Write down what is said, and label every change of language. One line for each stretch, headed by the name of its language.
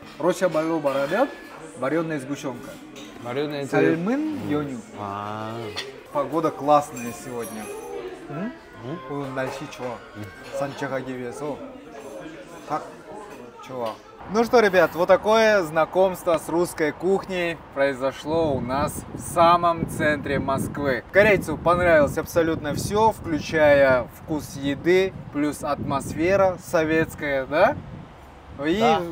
Korean: 러시아 말로 말하면 마리오네 스구시온카 마리오네 삶은 연유 아
Russian: погода классная сегодня
Korean: 응? 오늘 날씨 좋아. 응. 산책하기 위해서 딱 좋아.
Russian: Ну что, ребят, вот такое знакомство с русской кухней произошло у нас в самом центре Москвы. Корейцу понравилось абсолютно все, включая вкус еды, плюс атмосфера советская, да? И, да.